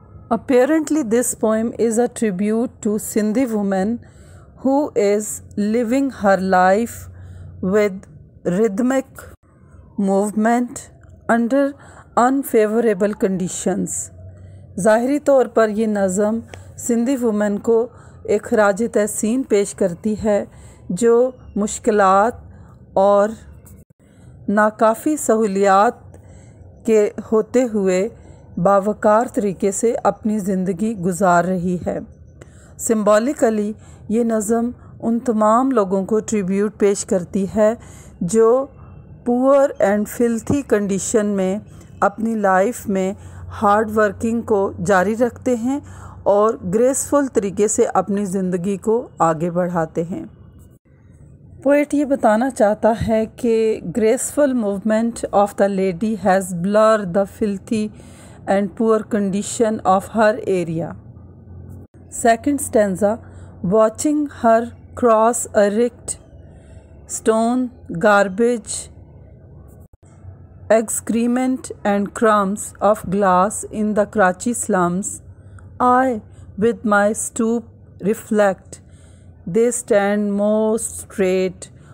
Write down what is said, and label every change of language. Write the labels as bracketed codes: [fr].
[en] Apparently this poem is a tribute to Sindhi woman who is living her life with rhythmic movement under unfavorable conditions. [ur] ظاہری طور پر یہ نظم Sindhi women کو ایک خراج تحسین پیش کرتی ہے جو مشکلات اور ناکافی سہولیات کے ہوتے ہوئے باوقار طریقے سے اپنی زندگی گزار رہی ہے. سمبولیکلی یہ نظم ان تمام لوگوں کو ٹریبیوٹ پیش کرتی ہے جو [en] poor and filthy condition [ur] میں اپنی لائف میں ہارڈ ورکنگ کو جاری رکھتے ہیں اور گریسفل طریقے سے اپنی زندگی کو آگے بڑھاتے ہیں. [en] poet [ur] یہ بتانا چاہتا ہے کہ [en] Graceful movement of the lady has blur the filthy and poor condition of her area. Second stanza, watching her cross erect stone garbage excrement and crumbs of glass in the Karachi slums, I, with my stoop, reflect. They stand most straight,